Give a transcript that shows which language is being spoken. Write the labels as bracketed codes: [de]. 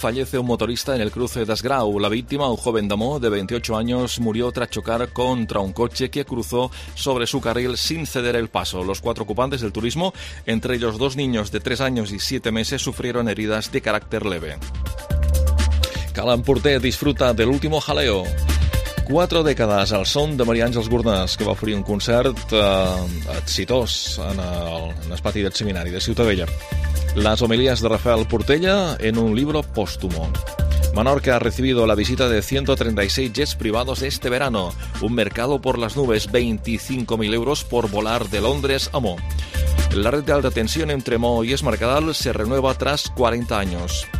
[es] Fallece un motorista en el cruce de Esgrau. La víctima, un joven damo de 28 años, murió tras chocar contra un coche que cruzó sobre su carril sin ceder el paso. Los cuatro ocupantes del turismo, entre ellos dos niños de 3 años y 7 meses, sufrieron heridas de carácter leve. Calan Porter disfruta del último jaleo. [ca] 4 dècades al son de Maria Àngels Gornàs, que va oferir un concert exitós en el pati del seminari de Ciutadella. [es] Las homilías de Rafael Portella en un libro póstumo. Menorca ha recibido la visita de 136 jets privados este verano. Un mercado por las nubes, 25.000 euros por volar de Londres a Mo. La red de alta tensión entre Mo y Esmercadal se renueva tras 40 años.